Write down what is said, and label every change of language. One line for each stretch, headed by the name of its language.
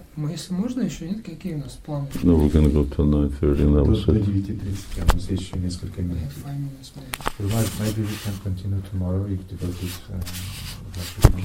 Russian: Если можно, еще нет, какие у нас планы?
English: No, we're gonna go till 9:30 and that was it.
Russian: До 9:30, а у нас есть еще несколько минут.
English: Right, maybe we can continue tomorrow if the budget is...